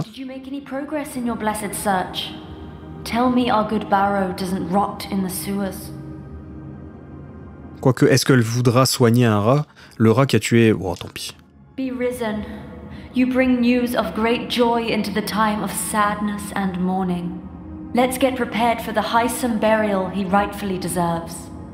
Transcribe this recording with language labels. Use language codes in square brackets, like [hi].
[en] Did you make any progress in your blessed search? Tell me our good Barrow doesn't rot in the sewers. [fr] Quoique, est-ce qu'elle voudra soigner un rat? Le rat qui a tué... Oh, tant pis. [en] Be risen. You bring news of great joy into the time of sadness and mourning. Let's get prepared for the highsome burial he rightfully deserves.